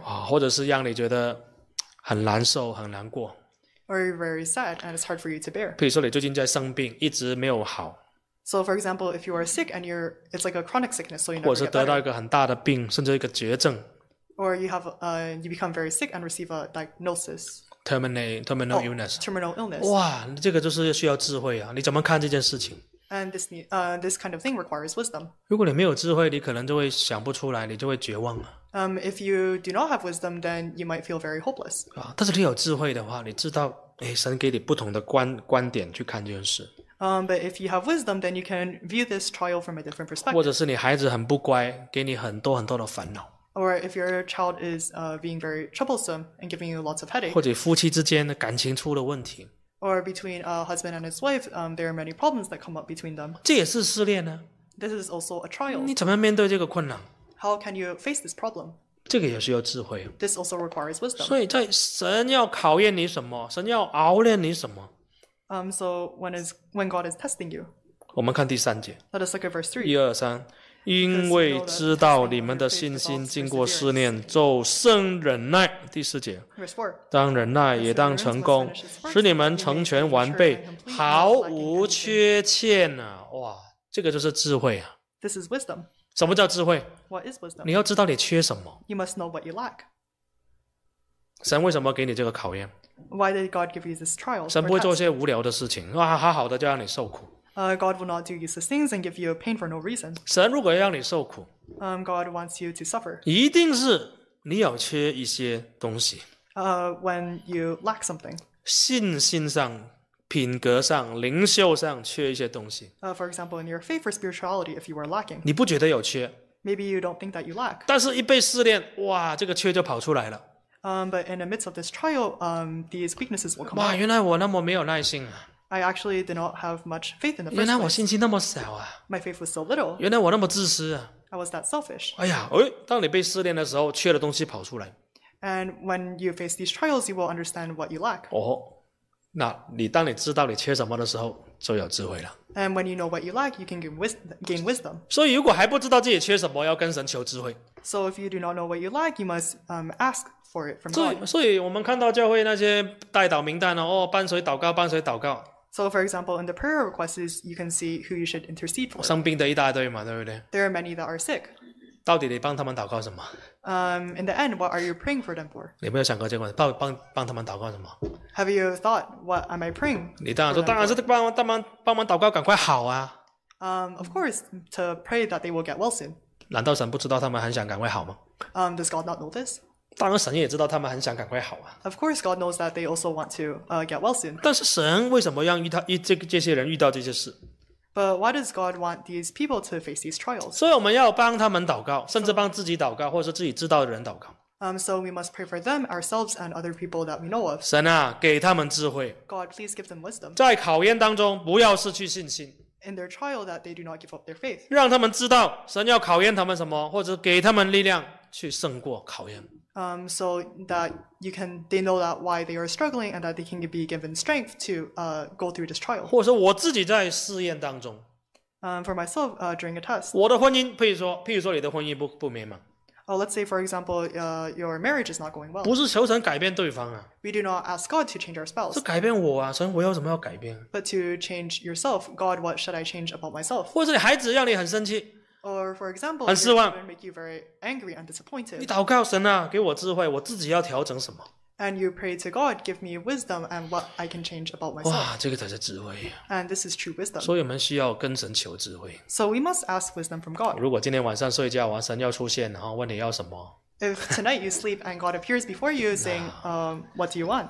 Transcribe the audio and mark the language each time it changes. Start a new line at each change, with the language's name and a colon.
Chinese: 或者是让你觉得很难受，很难过。
English: Or you're very sad and it's hard for you to bear.
Chinese: 比如说你最近在生病，一直没有好。
English: So for example, if you are sick and it's like a chronic sickness, so you never get better.
Chinese: 或者是得到一个很大的病，甚至一个绝症。
English: Or you become very sick and receive a diagnosis. Terminal illness. Terminal illness.
Chinese: 哇，这个就是需要智慧啊！你怎么看这件事情？
English: And this kind of thing requires wisdom.
Chinese: 如果你没有智慧，你可能就会想不出来，你就会绝望啊。
English: If you do not have wisdom, then you might feel very hopeless.
Chinese: 但是你有智慧的话，你知道，神给你不同的观点去看这件事。
English: But if you have wisdom, then you can view this trial from a different perspective.
Chinese: 或者是你孩子很不乖，给你很多很多的烦恼。
English: Or if your child is being very troublesome and giving you lots of headache.
Chinese: 或者夫妻之间的感情出了问题。
English: Or between a husband and his wife, there are many problems that come up between them.
Chinese: 这也是试炼呢。
English: This is also a trial.
Chinese: 你怎么面对这个困难？
English: How can you face this problem?
Chinese: 这个也是要智慧。
English: This also requires wisdom.
Chinese: 所以在神要考验你什么，神要熬炼你什么。
English: So when God is testing you.
Chinese: 我们看第三节。
English: Let us look at verse 3.
Chinese: 一二三，因为知道你们的信心经过试炼，就生忍耐。第四节。
English: Verse 4.
Chinese: 当忍耐也当成功，使你们成全完备，毫无缺欠啊！哇，这个就是智慧啊。
English: This is wisdom.
Chinese: 什么叫智慧？
English: What is wisdom?
Chinese: 你要知道你缺什么。
English: You must know what you lack.
Chinese: 神为什么给你这个考验？
English: Why did God give you this trial?
Chinese: 神不会做一些无聊的事情，好的就让你受苦。
English: God will not do useless things and give you pain for no reason.
Chinese: 神如果要让你受苦，
English: God wants you to suffer.
Chinese: 一定是你有缺一些东西。
English: When you lack something.
Chinese: 信心上。品格上、灵修上缺一些东西。
English: For example, in your faith or spirituality, if you are lacking,
Chinese: 你不觉得有缺
English: ？Maybe you don't think that you lack.
Chinese: 但是，一被试炼，哇，这个缺就跑出来了。
English: But in the midst of this trial, these weaknesses will come.
Chinese: 哇，原来我那么没有耐心啊
English: ！I actually did not have much faith in the.
Chinese: 原来我信心那么少啊
English: ！My faith was so little.
Chinese: 原来我那么自私啊
English: ！I was that selfish.
Chinese: 哎呀，当你被试炼的时候，缺的东西跑出来。
English: And when you face these trials, you will understand what you lack.
Chinese: 那你当你知道你缺什么的时候，就有智慧了。
English: And when you know what you lack, you can gain wisdom.
Chinese: 所以如果还不知道自己缺什么，要跟神求智慧。
English: So if you do not know what you lack, you must ask for it from God.
Chinese: 所以我们看到教会那些代祷名单伴随祷告，伴随祷告。
English: So for example, in the prayer requests, you can see who you should intercede for.
Chinese: 生病的一大堆嘛，对不对？
English: There are many that are sick.
Chinese: 到底你帮他们祷告什么？
English: In the end, what are you praying for them for?
Chinese: 你有没有想过这个问题？帮他们祷告什么？
English: Have you thought what am I praying?
Chinese: 你当然说，当然是帮忙祷告，赶快好啊。
English: Of course, to pray that they will get well soon.
Chinese: 难道神不知道他们很想赶快好吗？
English: Does God not know this?
Chinese: 当然，神也知道他们很想赶快好啊。
English: Of course, God knows that they also want to get well soon.
Chinese: 但是神为什么让这些人遇到这些事？
English: But why does God want these people to face these trials?
Chinese: 所以我们要帮他们祷告，甚至帮自己祷告，或者是自己知道的人祷告。
English: So we must pray for them, ourselves, and other people that we know of.
Chinese: 神啊，给他们智慧。
English: God, please give them wisdom.
Chinese: 在考验当中，不要失去信心。
English: In their trial, that they do not give up their faith.
Chinese: 让他们知道神要考验他们什么，或者给他们力量去胜过考验。
English: So that you can, they know that why they are struggling and that they can be given strength to go through this trial.
Chinese: 或者说我自己在试验当中。
English: For myself, during a test.
Chinese: 我的婚姻，譬如说你的婚姻不美满。
English: Oh, let's say for example, your marriage is not going well.
Chinese: 不是求神改变对方啊。
English: We do not ask God to change our spouse.
Chinese: 是改变我啊，神，我有什么要改变？
English: But to change yourself, God, what should I change about myself?
Chinese: 或者你孩子让你很生气。
English: Or for example,
Chinese: 很失望。
English: Make you very angry and disappointed.
Chinese: 你祷告神啊，给我智慧，我自己要调整什么。
English: And you pray to God, give me wisdom and what I can change about myself.
Chinese: 哇，这个才是智慧。
English: And this is true wisdom.
Chinese: 所以我们需要跟神求智慧。
English: So we must ask wisdom from God.
Chinese: 如果今天晚上睡觉，神要出现，然后问你要什么。
English: If tonight you sleep and God appears before you, saying, what do you want?